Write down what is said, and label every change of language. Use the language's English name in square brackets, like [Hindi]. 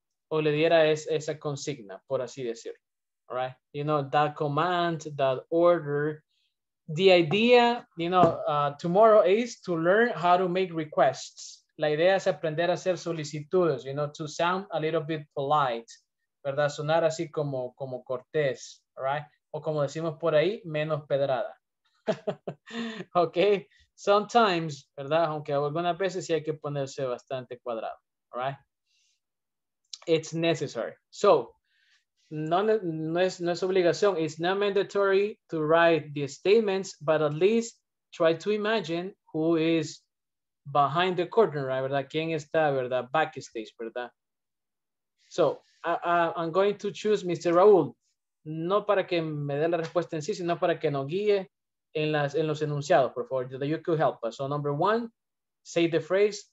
[Spanish] O le diera esa consigna, por así decir, [English] all right? You know, that command, that order. The idea, you know, tomorrow is to learn how to make requests, [Spanish] La idea es aprender a hacer solicitudes, [English] you know, to sound a little bit polite, [Spanish] ¿verdad? Sonar así como, como cortés, right? O como decimos por ahí, menos pedrada. [English] Ok, sometimes, ¿verdad? [Spanish] Aunque algunas veces sí hay que ponerse bastante cuadrado, right? [English] It's necessary. So, [Spanish] no es obligación. [English] It's not mandatory to write the statements, but at least try to imagine who is behind the curtain, right? ¿Verdad? [Spanish] ¿Quién está, verdad? [English] Backstage, ¿verdad? So, I'm going to choose Mr. Raúl. [Spanish] No para que me dé la respuesta en sí, sino para que nos guíe en los enunciados, por favor. [English] That you could help us. So, number one, say the phrase.